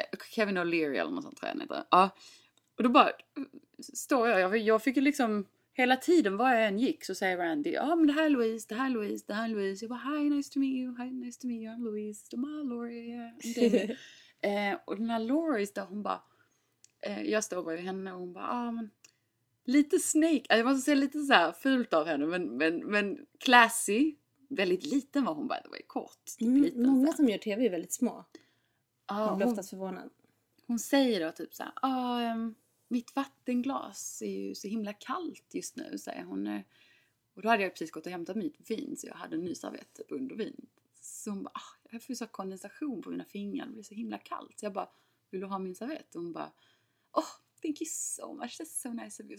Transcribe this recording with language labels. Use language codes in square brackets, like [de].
[sv] Kevin O'Leary eller något sånt tror jag han heter. Ja. Och då bara, står jag. Jag fick ju liksom, hela tiden var jag än gick så säger Randy. Ja, men det här är Louise, det här är Louise, det här är Louise. Jag bara, [en] hi, nice to meet you, hi, nice to meet you, I'm Louise. [sv] De här är Lori, yeah. Och den här Lori, hon bara, jag står bredvid henne och hon bara, ja, men. Lite snake, jag måste säga lite så här fult av henne, men classy, väldigt liten var hon [en] by the way, [sv] kort. Typ liten, många som gör tv är väldigt små, hon blir oftast förvånad. Hon säger då typ så här, mitt vattenglas är ju så himla kallt just nu, säger hon. Och då hade jag precis gått och hämtat mitt vin, så jag hade en ny servett under vin. Så hon bara, jag får ju så kondensation på mina fingrar, det blir så himla kallt. Så jag bara, vill du ha min servett? Och hon bara, [en] thank you so much, that's so nice of you.